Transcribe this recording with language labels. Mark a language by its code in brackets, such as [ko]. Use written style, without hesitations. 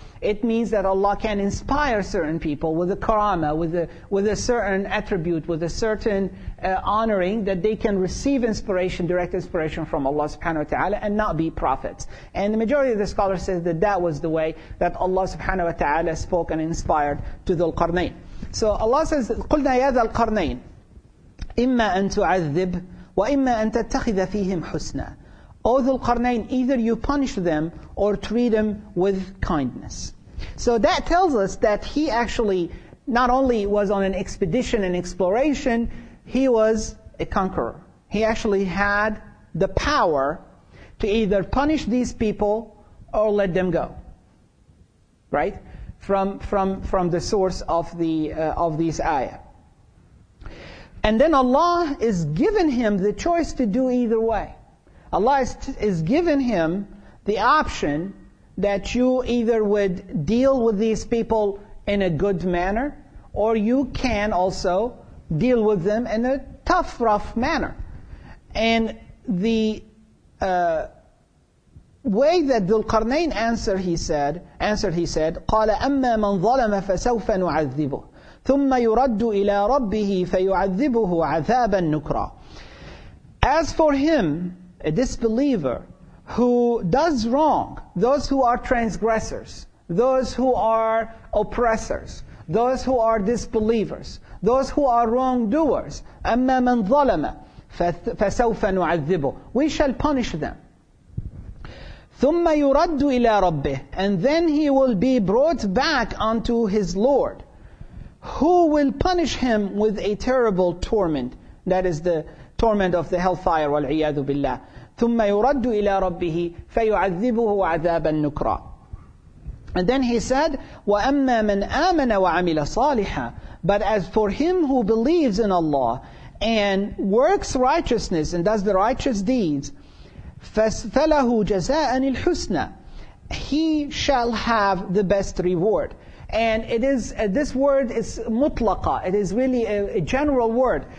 [en] It means that Allah can inspire certain people with a karama, with a certain attribute, with a certain honoring, that they can receive inspiration, direct inspiration from Allah subhanahu wa ta'ala, and not be prophets. And the majority of the scholars say that that was the way that Allah subhanahu wa ta'ala spoke and inspired to Dhul Qarnayn. So Allah says, [ar] قُلْنَا يَا ذَا الْقَرْنَيْنِ إِمَّا أَن تُعَذِّبْ وَإِمَّا أَن تَتَّخِذَ فِيهِمْ حُسْنًا. [en] O Dhul Qarnayn, either you punish them or treat them with kindness. So that tells us that he actually not only was on an expedition and exploration, he was a conqueror. He actually had the power to either punish these people or let them go. Right? From the source of these ayah. And then Allah is giving him the choice to do either way. Allah is giving him the option that you either would deal with these people in a good manner, or you can also deal with them in a tough, rough manner. And the way that Dhul Qarnayn answered, he said, [ar] قَالَ أَمَّا مَنْ ظَلَمَ فَسَوْفَ نُعَذِّبُهُ ثُمَّ يُرَدُّ إِلَىٰ رَبِّهِ فَيُعَذِّبُهُ عَذَابًا نُكْرًا. [en] As for him, a disbeliever who does wrong, those who are transgressors, those who are oppressors, those who are disbelievers, those who are wrongdoers, [ar] أَمَّا مَنْ ظَلَمَ فَسَوْفَ نُعَذِّبُهُ. [en] We shall punish them. [ar] ثُمَّ يُرَدُّ إِلَىٰ رَبِّهِ. [en] And then he will be brought back unto his Lord, who will punish him with a terrible torment. That is the torment of the hellfire, [ar] وَالْعِيَاذُ بِاللَّهِ. ثُمَّ يُرَدُّ إِلَىٰ رَبِّهِ فَيُعَذِّبُهُ عَذَابًا نُكْرًا. [en] And then he said, [ar] وَأَمَّا مَنْ آمَنَ وَعَمِلَ صَالِحًا. [en] But as for him who believes in Allah and works righteousness and does the righteous deeds, [ar] فَسْفَلَهُ جَزَاءً الْحُسْنَ, [en] he shall have the best reward. And it is, this word is mutlaqa. It is really a general word.